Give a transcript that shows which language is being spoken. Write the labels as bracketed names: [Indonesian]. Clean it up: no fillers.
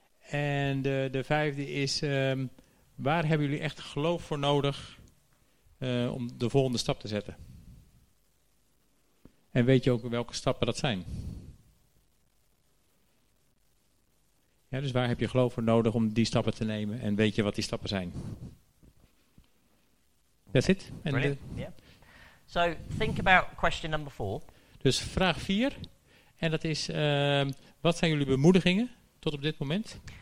[Dutch] En de vijfde is, waar hebben jullie echt geloof voor nodig om de volgende stap te zetten? En weet je ook welke stappen dat zijn? Ja, dus waar heb je geloof voor nodig om die stappen te nemen en weet je wat die stappen zijn? [English] That's it. Brilliant. So, think about question number 4. [Dutch] Dus vraag 4, en dat is, wat zijn jullie bemoedigingen tot op dit moment?